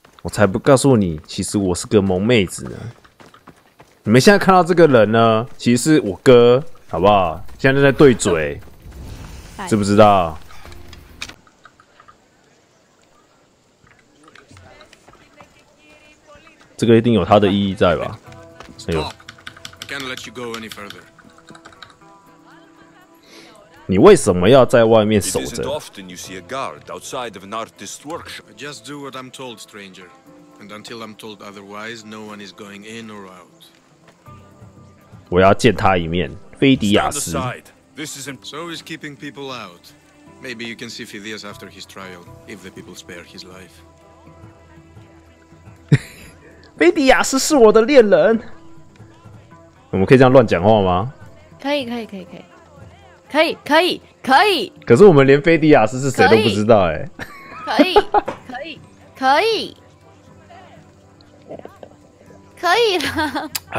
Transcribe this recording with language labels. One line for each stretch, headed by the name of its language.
Chinese: 我才不告诉你，其实我是个萌妹子呢。你们现在看到这个人呢，其实是我哥，好不好？现在在对嘴，知不知道？这个一定有它的意义在吧？哎呦！
English: Stop. I can't let you go any further.
Chinese: 你为什么要在外面守着？
English: It isn't often you see a guard outside of an artist's workshop. I just do what I'm told, stranger. And until I'm told otherwise, no one is going in or out.
Chinese: 我要见他一面，菲迪亚斯。
English: Stand aside. This isn't. So is keeping people out. Maybe you can see Phidias after his trial, if the people spare his life.
Chinese: 菲迪亚斯是我的恋人。我们可以这样乱讲话吗？可以，可以，可以，可以，可以，可以，可以。可是我们连菲迪亚斯是谁都不知道，哎、欸。可以，可以，可以，可以了。